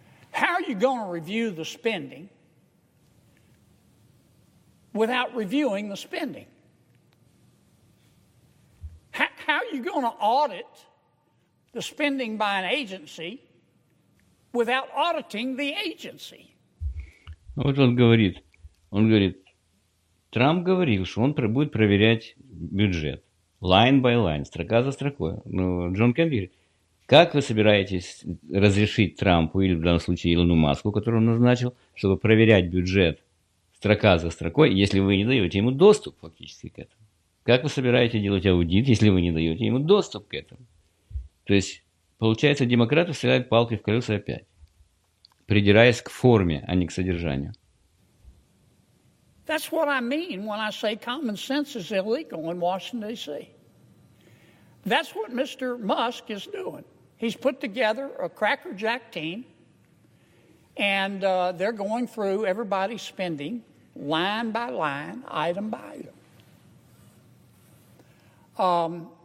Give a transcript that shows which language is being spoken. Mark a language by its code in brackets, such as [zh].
[en] How are you going to review the spending without reviewing the spending? How are you going to audit the spending by an agency without auditing the agency? [ru] Вот он говорит. Он говорит, Трамп говорил, что он будет проверять бюджет. [en] Line by line, [ru] строка за строкой. Ну, Джон Кеннеди говорит, как вы собираетесь разрешить Трампу, или в данном случае Илону Маску, которую он назначил, чтобы проверять бюджет строка за строкой, если вы не даете ему доступ фактически к этому? Как вы собираетесь делать аудит, если вы не даете ему доступ к этому? То есть, получается, демократы вставляют палки в колеса опять, придираясь к форме, а не к содержанию. [en] That's what I mean when I say common sense is illegal in Washington, D.C. That's what Mr. Musk is doing. He's put together a crackerjack team, and they're going through everybody's spending line by line, item by item.